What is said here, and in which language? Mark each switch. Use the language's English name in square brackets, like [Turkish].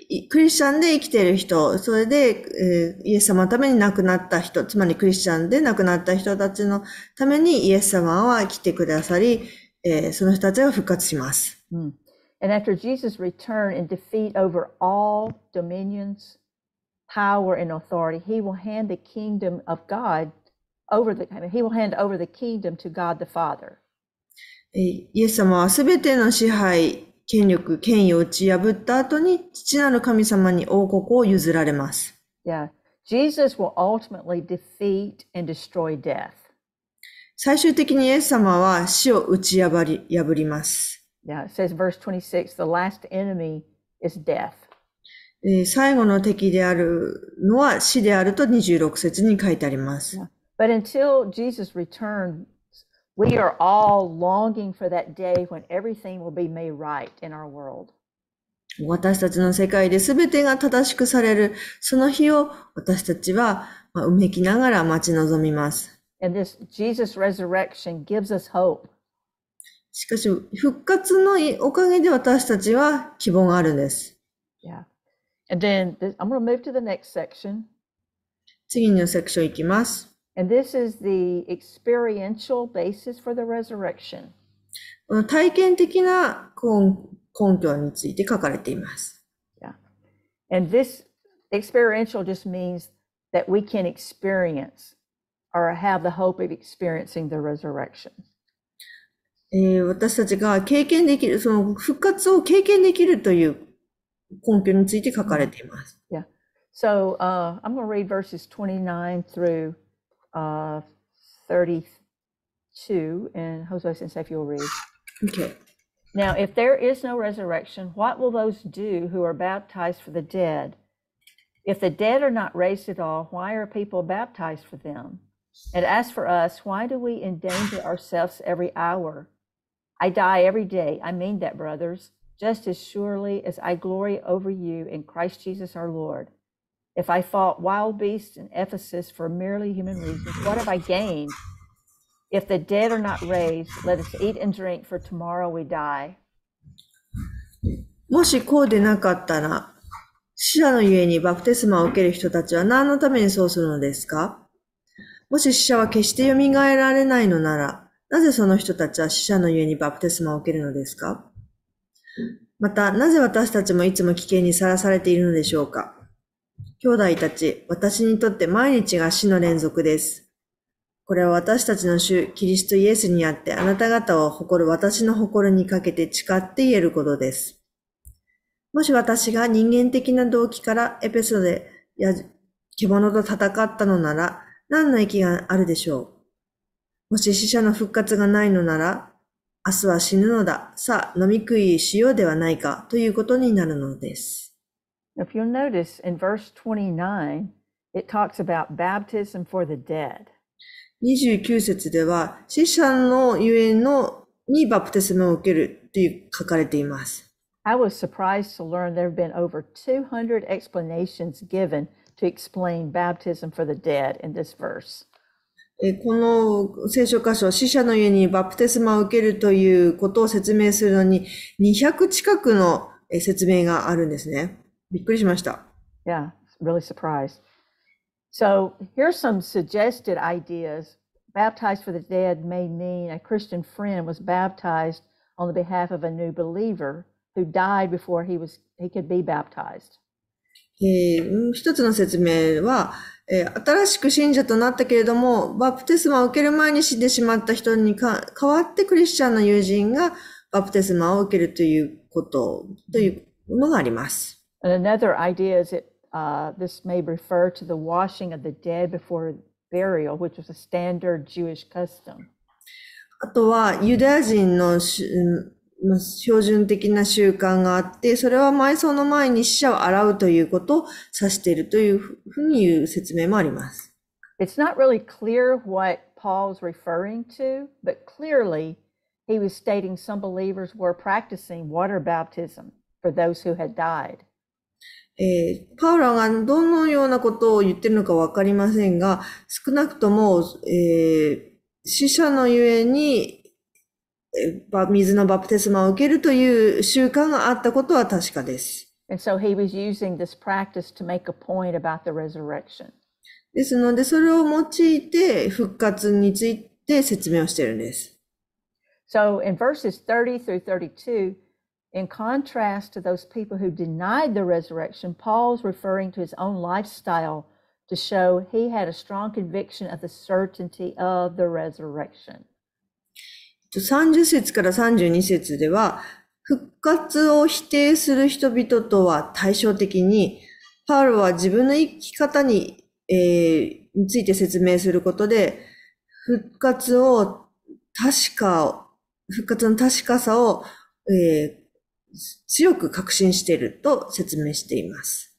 [Japanese] クリスチャンで生きている人、それで、イエス様のために亡くなった人、つまりクリスチャンで亡くなった人たちのためにイエス様は来てくださり、その人たちは復活します。 [English] And after Jesus' return and defeat over all dominions, power and authority, he will hand the kingdom of God over he will hand over the kingdom to God the Father. [Japanese] イエス様はすべての支配権力、権威を打ち破った後に、父なる神様に王国を譲られます。 [English] Yeah. Jesus will ultimately defeat and destroy death. [Japanese] 最終的にイエス様は死を打ち破ります。 [English] Yeah. It says verse 26, the last enemy is death. [Japanese] 最後の敵であるのは死であると26節に書いてあります。 [English] Yeah. But until Jesus returned,We are all longing for that day when everything will be made right in our world. [Japanese] 私たちの世界で全てが正しくされるその日を私たちはうめきながら待ち望みます。 [English] And this Jesus resurrection gives us hope. [Japanese] しかし復活のおかげで私たちは希望があるんです。 [English] Yeah. And then I'm going to move to the next section. [Japanese] 次のセクション行きます。 [English] And this is the experiential basis for the resurrection. [Japanese] 体験的な根拠について書かれています。 [English] Yeah. And this experiential just means that we can experience or have the hope of experiencing the resurrection. [Japanese] 私たちが経験できる、その復活を経験できるという根拠について書かれています。 [English] Yeah. So, I'm going to read verses 29 through 32, and Jose Sensei, if you'll read. Okay. Now, if there is no resurrection, what will those do who are baptized for the dead? If the dead are not raised at all, why are people baptized for them? And as for us, why do we endanger ourselves every hour? I die every day. I mean that, brothers, just as surely as I glory over you in Christ Jesus our Lord. If I fought wild beasts in Ephesus for merely human reasons, what have I gained? If the dead are not raised, let us eat and drink, for tomorrow we die. [Japanese] もしこうでなかったら、死者のゆえにバプテスマを受ける人たちは何のためにそうするのですか？もし死者は決して蘇られないのなら、なぜその人たちは死者のゆえにバプテスマを受けるのですか？また、なぜ私たちもいつも危険にさらされているのでしょうか？兄弟たち、私にとって毎日が死の連続です。これは私たちの主、キリストイエスにあって、あなた方を誇る私の誇りにかけて誓って言えることです。もし私が人間的な動機からエペソで獣と戦ったのなら、何の益があるでしょう。もし死者の復活がないのなら、明日は死ぬのだ。さあ、飲み食いしようではないか、ということになるのです。 [English] If you'll notice, in verse 29, it talks about baptism for the dead. [Japanese] 29節では、死者のゆえのにバプテスマを受けると書かれています。 [English] I was surprised to learn there have been over 200 explanations given to explain baptism for the dead in this verse. [Japanese] この聖書箇所、死者のゆえにバプテスマを受けるということを説明するのに200近くの説明があるんですね。びっくりしました。 [English] Yeah, really surprised. So, here's some suggested ideas. Baptized for the dead may mean a Christian friend was baptized on the behalf of a new believer who died before he could be baptized. [Japanese] 一つの説明は、新しく信者となったけれども、バプテスマを受ける前に死んでしまった人に代わってクリスチャンの友人がバプテスマを受けるということ、というものがあります。 [English] And another idea is that this may refer to the washing of the dead before burial, which was a standard Jewish custom. [Japanese] あとはユダヤ人の標準的な習慣があって、それは埋葬の前に死者を洗うということを指しているというふうに言う説明もあります。 [English] It's not really clear what Paul's referring to, but clearly he was stating some believers were practicing water baptism for those who had died. [Japanese] パウロがどのようなことを言ってるのかわかりませんが、少なくとも、死者のゆえに、水のバプテスマを受けるという習慣があったことは確かです。 [English] And so he was using this practice to make a point about the resurrection. [Japanese] ですので、それを用いて復活について説明をしているんです。 [English] So in verses 30 through 32,In contrast to those people who denied the resurrection, Paul's referring to his own lifestyle to show he had a strong conviction of the certainty of the resurrection. [Japanese] 30節から32節では、復活を否定する人々とは対照的に、パウロは自分の生き方に、について説明することで、復活の確かさを、強く確信していると説明しています。